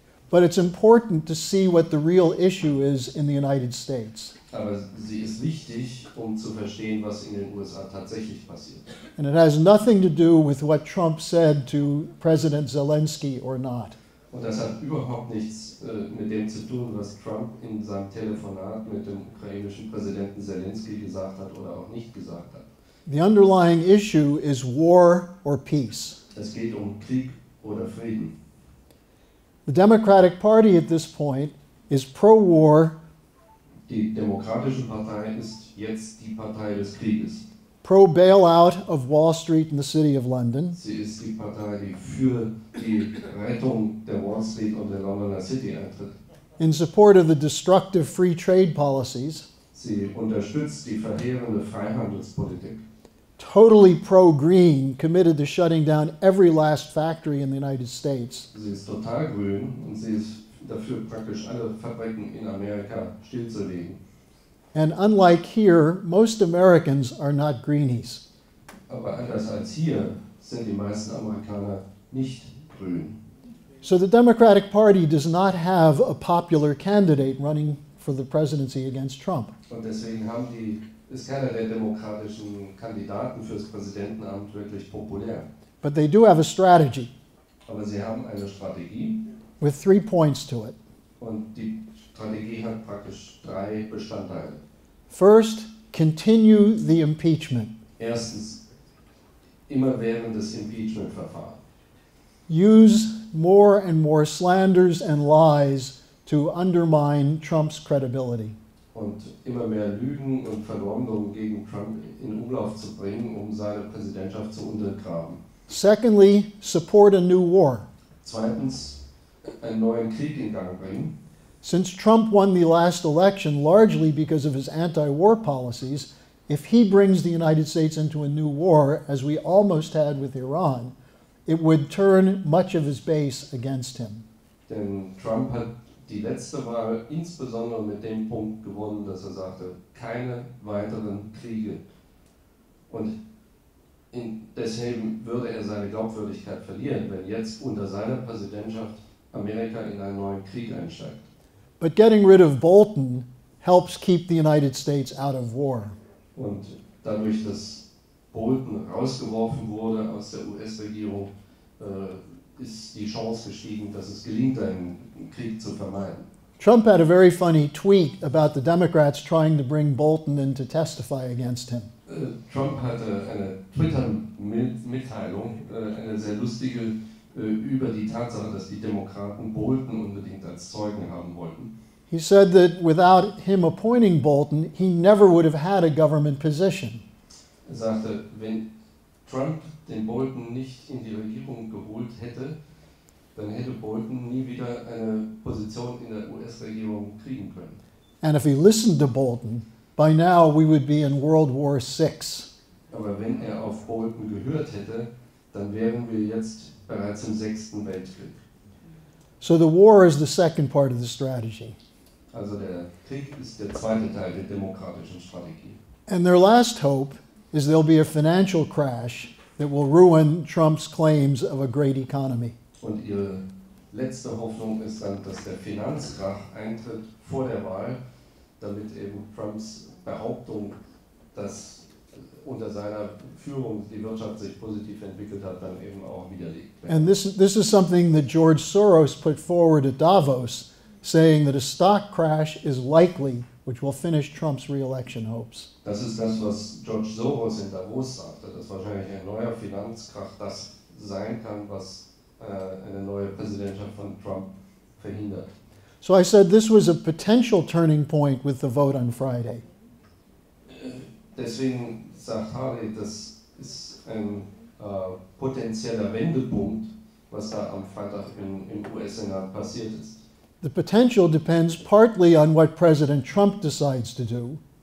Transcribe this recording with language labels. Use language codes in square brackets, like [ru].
[en] But it's important to see what the real issue is in the United States. [de] Aber sie ist wichtig, um zu verstehen, was in den USA tatsächlich passiert. [en] And it has nothing to do with what Trump said to President Zelensky or not. [de] Und das hat überhaupt nichts mit dem zu tun, was Trump in seinem Telefonat mit dem ukrainischen Präsidenten Zelensky gesagt hat oder auch nicht gesagt hat. [en] The underlying issue is war or peace. [de] Es geht um Krieg oder Frieden. [en] The Democratic Party at this point is pro-war. [de] Die Demokratische Partei ist jetzt die Partei des Krieges. [en] Pro-bailout of Wall Street in the city of London. [de] Sie ist die Partei, die für die Rettung der Wall Street und der Londoner City eintritt. [en] In support of the destructive free trade policies. [de] Sie unterstützt die verheerende Freihandelspolitik. [en] Totally pro-green, committed to shutting down every last factory in the United States. [de] Sie ist total grün und sie ist dafür, praktisch alle Fabriken in Amerika stillzulegen. [en] And unlike here, most Americans are not greenies. [de] Aber anders als hier sind die meisten Amerikaner nicht grün. [en] So the Democratic Party does not have a popular candidate running for the presidency against Trump. [de] Und deswegen haben die ist keiner der demokratischen Kandidaten fürs Präsidentenamt wirklich populär. [en] But they do have a strategy. [de] Aber sie haben eine Strategie. [en] With 3 points to it. [de] Und die Strategie hat praktisch 3 Bestandteile. [en] First, continue the impeachment. [de] Erstens, immer während des Impeachment-Verfahren. [en] Use more and more slanders and lies to undermine Trump's credibility. [de] Und immer mehr Lügen und Verleumdungen gegen Trump in Umlauf zu bringen, um seine Präsidentschaft zu untergraben. [en] Secondly, support a new war. [de] Zweitens, einen neuen Krieg in Gang bringen. [en] Since Trump won the last election largely because of his anti-war policies, if he brings the United States into a new war, as we almost had with Iran, it would turn much of his base against him. [de] Denn Trump hat die letzte Wahl insbesondere mit dem Punkt gewonnen, dass er sagte, keine weiteren Kriege. Und deswegen würde er seine Glaubwürdigkeit verlieren, wenn jetzt unter seiner Präsidentschaft Amerika in einen neuen Krieg einsteigt. [en] But getting rid of Bolton helps keep the United States out of war. [de] Und dadurch, dass Bolton rausgeworfen wurde aus der US-Regierung, ist die Chance gestiegen, dass es gelingt, einen Krieg zu vermeiden. [en] Trump had a very funny tweet about the Democrats trying to bring Bolton in to testify against him. [de] Trump hatte eine Twitter-Mitteilung, eine sehr lustige, über die Tatsache, dass die Demokraten Bolton unbedingt als Zeugen haben wollten. [en] He said that without him appointing Bolton, he never would have had a government position. [de] Er sagte, wenn Trump den Bolton nicht in die Regierung geholt hätte, dann hätte Bolton nie wieder eine Position in der US-Regierung kriegen können. [en] And if he listened to Bolton, by now we would be in World War VI. [de] aber wenn er auf Bolton gehört hätte, dann wären wir jetzt bereits im 6. Weltkrieg. [en] So the war is the second part of the strategy. [de] Also der Krieg ist der zweite Teil der demokratischen Strategie. [en] And their last hope is there'll be a financial crash that will ruin Trump's claims of a great economy. [de] Und ihre letzte Hoffnung ist dann, dass der Finanzkrach eintritt vor der Wahl, damit eben Trumps Behauptung, dass unter seiner Führung die Wirtschaft sich positiv entwickelt hat, dann eben auch widerlegt wird. [en] And this is something that George Soros put forward at Davos, saying that a stock crash is likely, which will finish Trump's re-election hopes. [de] Das ist das, was George Soros in Davos sagte, dass wahrscheinlich ein neuer Finanzkrach das sein kann, was eine neue Präsidentschaft von Trump verhindert. [en] So I said this was a potential turning point with the vote on Friday. [de] Deswegen sagt Harley, das ist ein potenzieller Wendepunkt, was da am Freitag im US-Senat passiert ist. [en] The potential depends partly on what President Trump decides to do.